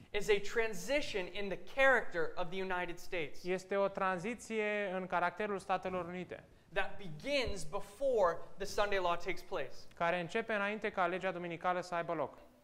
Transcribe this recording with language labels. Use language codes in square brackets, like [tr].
[en] is a transition in the character of the United States. [ro] Este o tranziție în caracterul Statelor Unite. [en] That begins before the Sunday law takes place. [ro] Care începe înainte ca legea duminicală să aibă loc.